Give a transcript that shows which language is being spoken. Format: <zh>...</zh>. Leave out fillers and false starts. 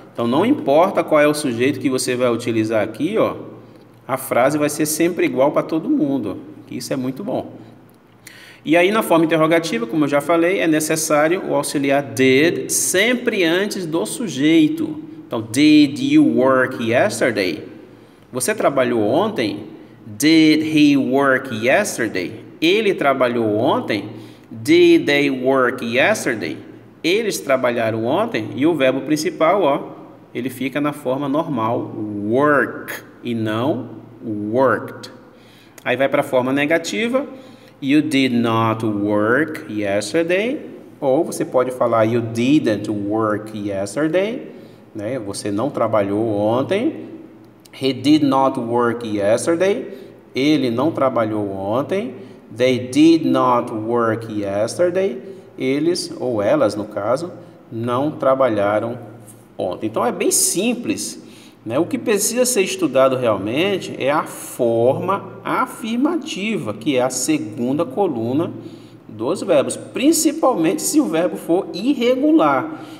<pt>Então, não importa qual é o sujeito que você vai utilizar aqui, ó, a frase vai ser sempre igual para todo mundo. Isso é muito bom. E aí, na forma interrogativa, como eu já falei, é necessário o auxiliar did sempre antes do sujeito. Então,</pt> <en>did you work yesterday?</en> <pt>Você trabalhou ontem?</pt> <en>Did he work yesterday?</en> <pt>Ele trabalhou ontem?</pt> <en>Did they work yesterday?</en> <pt>Eles trabalharam ontem? E o verbo principal, ó, ele fica na forma normal, work, e não worked. Aí vai para a forma negativa,</pt> <en>you did not work yesterday.</en> <pt>Ou você pode falar,</pt> <en>you didn't work yesterday.</en> <pt>Né? Você não trabalhou ontem.</pt> <en>He did not work yesterday.</en> <pt>Ele não trabalhou ontem.</pt> <en>They did not work yesterday.</en> <pt>Eles, ou elas no caso, não trabalharam ontem. Então, é bem simples, né? O que precisa ser estudado realmente é a forma afirmativa, que é a segunda coluna dos verbos, principalmente se o verbo for irregular.</pt>